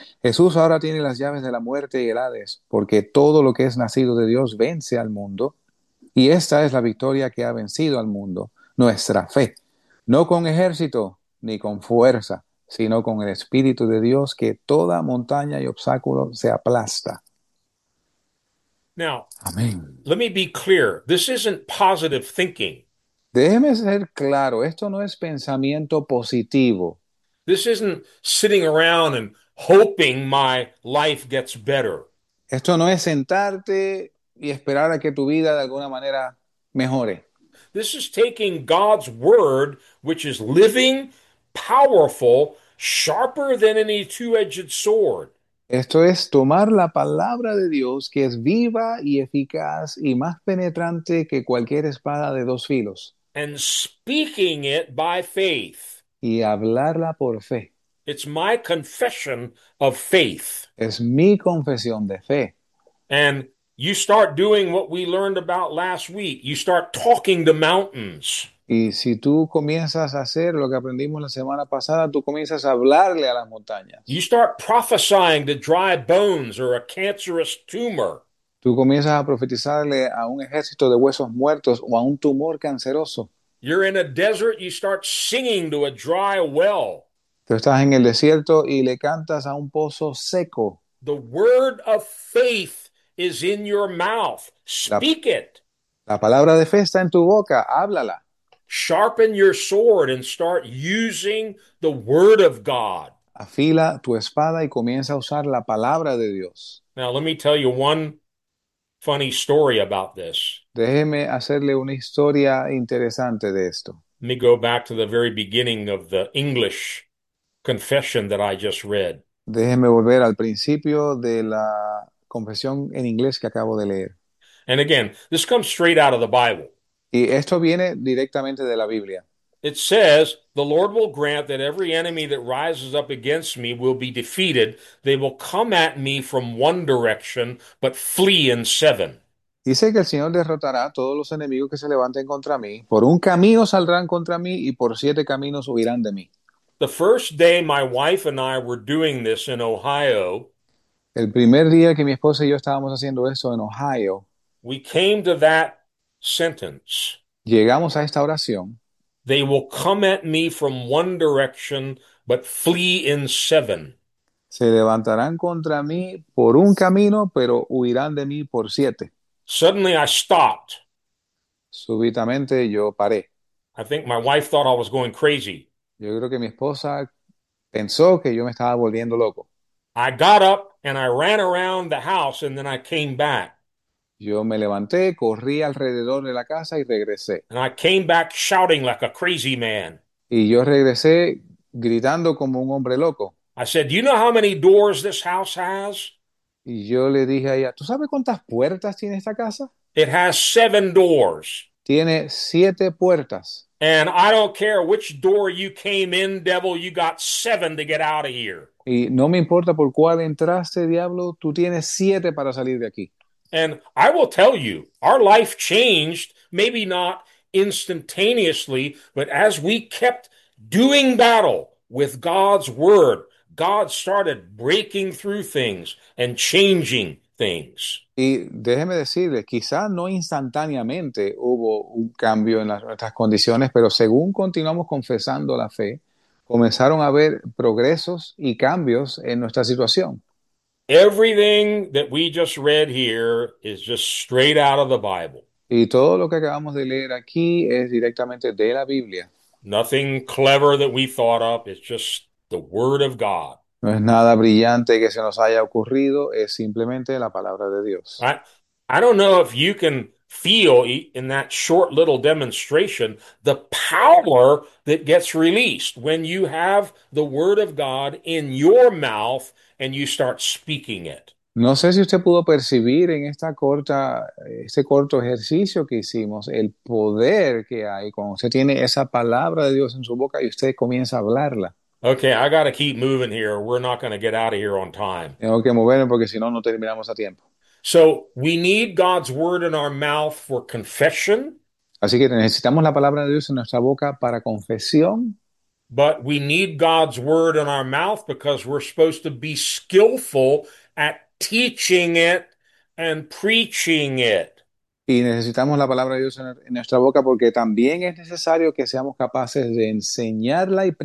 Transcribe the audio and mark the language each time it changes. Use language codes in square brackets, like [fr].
[es] Jesús ahora tiene las llaves de la muerte y el Hades, porque todo lo que es nacido de Dios vence al mundo. Y esta es la victoria que ha vencido al mundo, nuestra fe. No con ejército ni con fuerza, sino con el Espíritu de Dios, que toda montaña y obstáculo se aplasta. [en] Now, [es] Amén. [en] let me be clear. This isn't positive thinking. [es] Déjeme ser claro, esto no es pensamiento positivo. [en] This isn't sitting around and hoping my life gets better. [es] Esto no es sentarte y esperar a que tu vida de alguna manera mejore. [en] This is taking God's word, which is living, powerful, sharper than any two-edged sword. [es] Esto es tomar la palabra de Dios que es viva y eficaz y más penetrante que cualquier espada de dos filos. [en] And speaking it by faith. [es] Y hablarla por fe. [en] It's my confession of faith. [es] Es mi confesión de fe. [en] And you start doing what we learned about last week. You start talking to mountains. [es] Y si tú comienzas a hacer lo que aprendimos la semana pasada, tú comienzas a hablarle a las [en] You [es] montañas. [en] start prophesying to dry bones or a cancerous tumor. [es] Tú comienzas a profetizarle a un ejército de huesos muertos o a un tumor canceroso. [en] You're in a desert, you start singing to a dry well. [es] Tú estás en el desierto y le cantas a un pozo seco. [en] The word of faith is in your mouth. Speak it. [es] La palabra de fe está en tu boca, háblala. [en] Sharpen your sword and start using the word of God. [es] Afila tu espada y comienza a usar la palabra de Dios. [en] Now, let me tell you one funny story about this. [es] Déjeme hacerle una historia interesante de esto. [en] Let me go back to the very beginning of the English confession that I just read. [es] Déjeme volver al principio de la confesión en inglés que acabo de leer. [en] And again, this comes straight out of the Bible. [es] Y esto viene directamente de la Biblia. [en] It says, "The Lord will grant that every enemy that rises up against me will be defeated. They will come at me from one direction, but flee in seven." [es] Dice que el Señor derrotará a todos los enemigos que se levanten contra mí. Por un camino saldrán contra mí y por siete caminos huirán de mí. [en] The first day my wife and I were doing this in Ohio, [es] El primer día que mi esposa y yo estábamos haciendo eso en Ohio, [en] we came to that sentence. [es] llegamos a esta oración. [en] They will come at me from one direction, but flee in seven. [es] Se levantarán contra mí por un camino, pero huirán de mí por siete. [en] Suddenly I stopped. [es] Súbitamente yo paré. [en] I think my wife thought I was going crazy. [es] Yo creo que mi esposa pensó que yo me estaba volviendo loco. [en] I got up and I ran around the house and then I came back. [es] Yo me levanté, corrí alrededor de la casa y regresé. [en] And I came back shouting like a crazy man. [es] Y yo regresé gritando como un hombre loco. [en] I said, "Do you know how many doors this house has?" [es] Y yo le dije a ella, ¿tú sabes cuántas puertas tiene esta casa? [en] It has seven doors. [es] Tiene siete puertas. [en] And I don't care which door you came in, devil, you got seven to get out of here. [es] Y no me importa por cuál entraste, diablo, tú tienes siete para salir de aquí. [en] And I will tell you, our life changed, maybe not instantaneously, but as we kept doing battle with God's word, God started breaking through things and changing things. [es] Y déjeme decirle, quizás no instantáneamente hubo un cambio en nuestras condiciones, pero según continuamos confesando la fe, comenzaron a haber progresos y cambios en nuestra situación. [en] Everything that we just read here is just straight out of the Bible. [es] Y todo lo que acabamos de leer aquí es directamente de la Biblia. [en] Nothing clever that we thought up, it's just the word of God. [es] No es nada brillante que se nos haya ocurrido, es simplemente la palabra de Dios. [en] I don't know if you can feel in that short little demonstration the power that gets released when you have the word of God in your mouth and you start speaking it. [es] No sé si usted pudo percibir en este corto ejercicio que hicimos el poder que hay cuando usted tiene esa palabra de Dios en su boca y usted comienza a hablarla. [en] Okay, I got to keep moving here. We're not going to get out of here on time. [es] Tengo que moverme porque si no, no terminamos a tiempo. [en] So, we need God's word in our mouth for confession. [es] Así que necesitamos la palabra de Dios en nuestra boca para confesión. [en] But we need God's word in our mouth because we're supposed to be skillful at teaching it and preaching it. [es] Y necesitamos la palabra de Dios en nuestra boca porque también es necesario que seamos capaces de enseñarla